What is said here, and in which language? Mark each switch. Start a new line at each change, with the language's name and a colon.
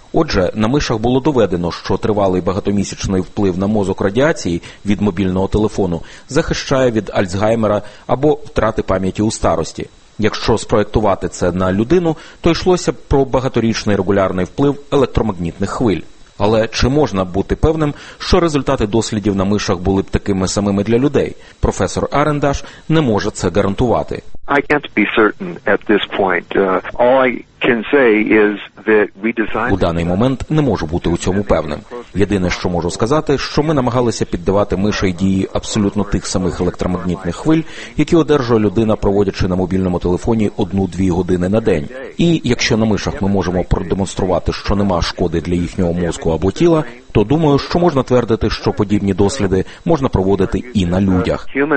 Ukrainian: Отже, на мишах було доведено, що тривалий багатомісячний вплив на мозок радіації від мобільного телефону захищає від Альцгеймера або втрати пам'яті у старості. Якщо спроєктувати це на людину, то йшлося б про багаторічний регулярний вплив електромагнітних хвиль. Але чи можна бути певним, що результати дослідів на мишах були б такими самими для людей? Професор Арендаш не може це гарантувати.
English: I can't be certain at this point. All I can say is that we designed...
Ukrainian: У даний момент не можу бути у цьому певним. Єдине, що можу сказати, що ми намагалися піддавати мишей дії абсолютно тих самих електромагнітних хвиль, які одержує людина, проводячи на мобільному телефоні 1-2 години на день. І якщо на мишах ми можемо продемонструвати, що нема шкоди для їхнього мозку або тіла, то думаю, що можна твердити, що подібні досліди можна проводити і на людях.